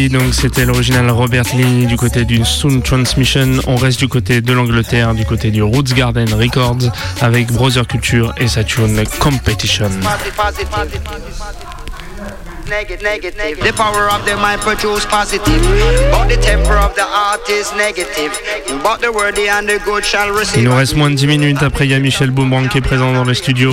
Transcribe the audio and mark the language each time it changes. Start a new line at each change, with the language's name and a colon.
French: C'était l'original Robert Lee du côté du Sound Transmission. On reste du côté de l'Angleterre, du côté du Roots Garden Records avec Brother Culture et sa tune Competition.
English: Negative. The power of the mind produce positive, but the temper of the heart is negative. But the worthy and the good shall receive.
French: Il nous reste moins de 10 minutes. Après, il y a Michel Boomerang qui est présent dans le studio.